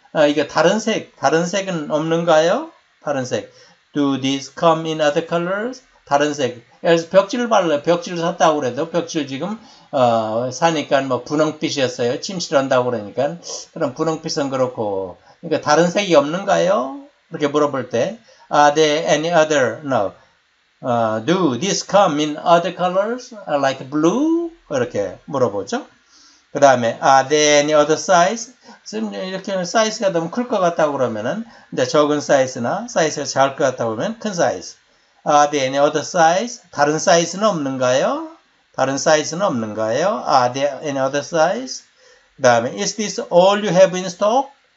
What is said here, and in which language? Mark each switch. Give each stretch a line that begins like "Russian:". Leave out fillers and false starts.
Korean: 이거 다른 색은 없는가요? 다른 색.
English: Do these come in other colors?
Korean: 다른 색. 그래서 벽지를 발라요. 벽지를 샀다고 그래도 벽지를 지금 사니까 뭐 분홍빛이었어요. 침실한다고 그러니까 그럼 분홍빛은 그렇고 그러니까 다른 색이 없는가요? 이렇게 물어볼 때
English: Are there any other? No. Do this come in other colors like blue?
Korean: 이렇게 물어보죠. 그 다음에
English: Are there any other size?
Korean: 지금 이렇게 사이즈가 너무 클것 같다고 그러면은 이제 적은 사이즈나 사이즈가 작을 것 같다고 그러면 큰 사이즈.
English: Are there any other size?
Korean: 다른 사이즈는 없는가요? 다른 사이즈는 없는가요?
English: Are there any other size?
Korean: 그 다음에,
English: Is this all you have in stock?